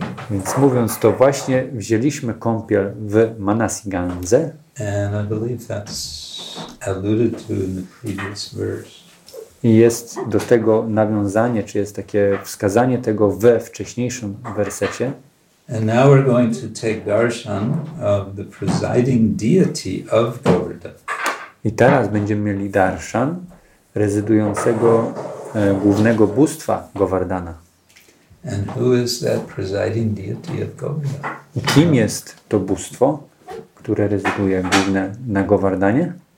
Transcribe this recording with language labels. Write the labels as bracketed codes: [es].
[pl] Więc mówiąc to właśnie, wzięliśmy kąpiel w Manasi Gandze. [en] And I believe that's alluded to in the previous verse. [pl] I jest do tego nawiązanie, czy jest takie wskazanie tego we wcześniejszym wersecie. [en] And now we're going to take darshan of the presiding deity of Govardhan. [pl] I teraz będziemy mieli darshan rezydującego głównego bóstwa Govardhana. [en] And who is that presiding deity of Govardhan? [pl] I kim jest to bóstwo, które rezyduje główne na Govardhanie?